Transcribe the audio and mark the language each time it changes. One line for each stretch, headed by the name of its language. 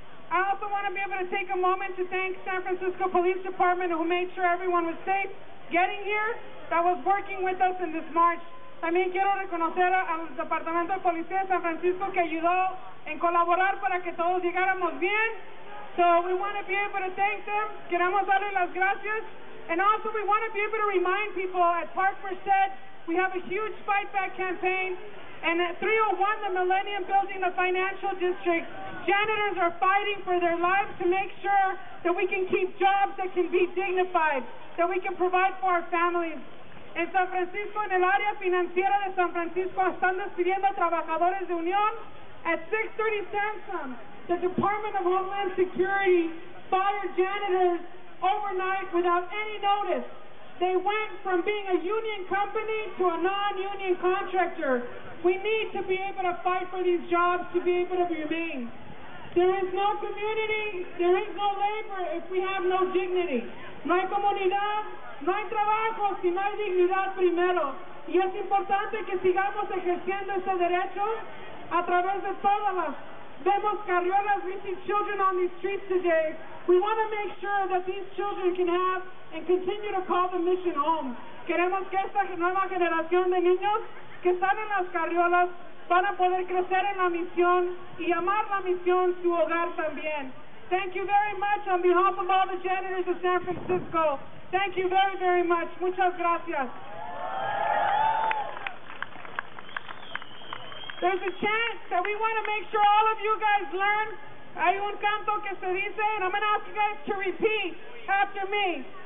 English: I also want to be able to take a moment to thank San Francisco Police Department, who made sure everyone was safe getting here, that was working with us in this march.
Spanish: También quiero reconocer al Departamento de Policía de San Francisco que ayudó en colaborar para que todos llegáramos bien.
English: So we want to be able to thank them.
Spanish: Queremos darle las gracias.
English: And also, we want to be able to remind people, as Parker said, we have a huge fight back campaign. And at 301, the Millennium Building, the financial district, janitors are fighting for their lives to make sure that we can keep jobs that can be dignified, that we can provide for our families.
Spanish: En San Francisco, en el área financiera de San Francisco, están despidiendo trabajadores de Unión.
English: At 630 Samsung, the Department of Homeland Security fired janitors overnight without any notice. They went from being a union company to a non-union contractor. We need to be able to fight for these jobs to be able to remain. There is no community, there is no labor if we have no dignity.
Spanish: No hay comunidad, no hay trabajo si no hay dignidad primero. Y es importante que sigamos ejerciendo ese derecho a través de todas las. Vemos carriolas
English: reaching children on these streets today. We want to make sure that these children can have and continue to call the mission home.
Spanish: Queremos que esta nueva generación de niños que están en las carriolas van a poder crecer en la misión y llamar la misión su hogar también.
English: Thank you very much on behalf of all the janitors of San Francisco. Thank you very, very much.
Spanish: Muchas gracias.
English: There's a chant that we want to make sure all of you guys learn.
Spanish: Hay un canto que se dice,
English: and I'm going to ask you guys to repeat after me.